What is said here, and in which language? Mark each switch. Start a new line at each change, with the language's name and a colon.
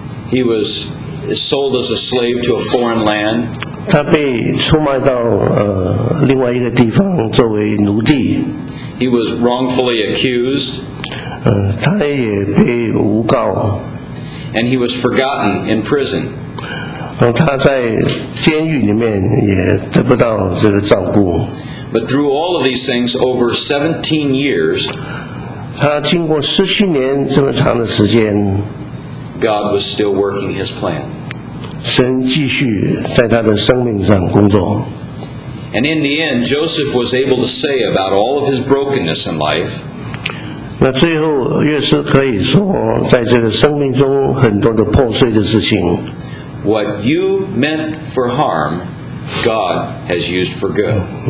English: He was sold as a slave to a foreign land.
Chinese: 他被出卖到另外一个地方作为奴隶。
English: He was wrongfully accused.
Chinese: 他也被诬告。
English: And he was forgotten in prison.
Chinese: 他在监狱里面也得不到这个照顾。
English: But through all of these things, over 17 years,
Chinese: 他经过17年这么长的时间,
English: God was still working his plan.
Chinese: 神继续在他的生命上工作。
English: And in the end, Joseph was able to say about all of his brokenness in life,
Chinese: 那最后约瑟可以说在这个生命中很多的破碎的事情,
English: what you meant for harm, God has used for good.